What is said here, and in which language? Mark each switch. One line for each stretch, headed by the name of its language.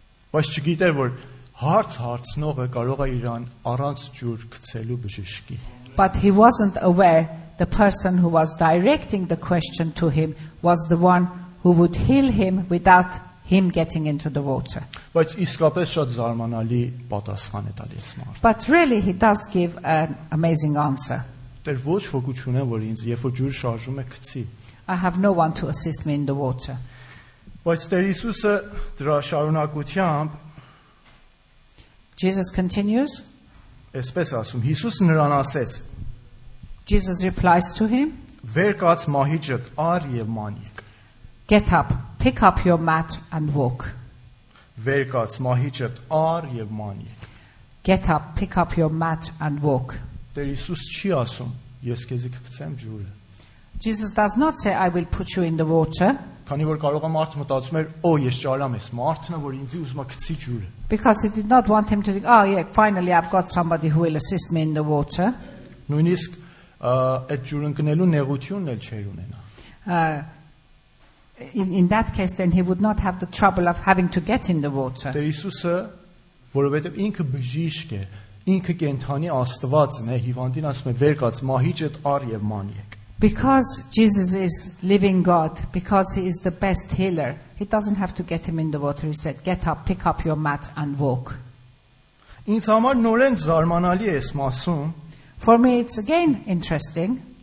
English: But he didn't know that
Armenian: Հարց հարցնողը կարող է իրան առանց ջուր գցելու բժշկի.
English: But he wasn't aware the person who was directing the question to him was the one who would heal him without him getting into the water.
Armenian: Բայց իսկապես շատ զարմանալի պատասխան է տալիս մարդը.
English: But really he does give an amazing answer.
Armenian: Դեր ոչ ոք չունեմ, որ ինձ երբ որ ջուր շարժում է գցի.
English: I have no one to assist me in the water.
Armenian: Բայց Տեր Հիսուսը դրա շարունակությամբ
English: Jesus continues.
Armenian: Եսպես ասում, Հիսուս նրան ասեց.
English: Jesus replies to him.
Armenian: Վեր կաց մահիճդ, առ եւ մանիկ.
English: Get up, pick up your mat and walk.
Armenian: Վեր կաց մահիճդ, առ եւ մանիկ.
English: Get up, pick up your mat and walk.
Armenian: Տեր Հիսուս չի ասում, ես քեզ կգցեմ ջուրը.
English: Jesus does not say I will put you in the water.
Armenian: Քանի որ կարող է մարդ մտածում էր, օ, ես ճարամ ես, մարդն է, որ ինձի ուզմա գցի ջուրը.
English: Because he did not want him to think, oh yeah, finally I've got somebody who will assist me in the water.
Armenian: Նույնիսկ այդ ջուրը ընկնելու նեղությունն էլ չէր ունենա.
English: In that case then he would not have the trouble of having to get in the water.
Armenian: Տեր Հիսուսը, որովհետև ինքը բժիշկ է, ինքը կենթանի աստվածն է, հիվանդին ասում է, վեր կաց մահիճդ առ եւ մանիկ.
English: Because Jesus is living God, because he is the best healer, he doesn't have to get him in the water. He said, get up, pick up your mat and walk. For me, it's again interesting.